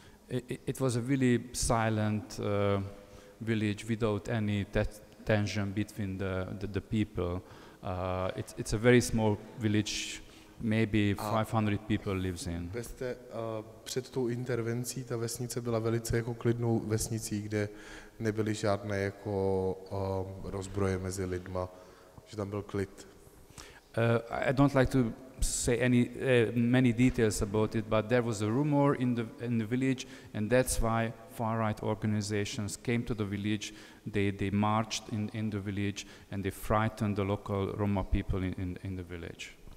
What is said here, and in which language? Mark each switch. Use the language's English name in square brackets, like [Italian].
[English] It was a really silent village without any tension between the people. It's a very small village, maybe 500 people lives in. [Czech] Před tou intervencí ta vesnice byla velice jako klidnou vesnicí, kde nebyly žádné jako rozbroje mezi lidma, že tam byl klid. [English] I don't like to say any many details about it, but there was a rumor in the village, and that's why far right organizations came to the village. They marched in the village and they frightened the local Roma people in the village.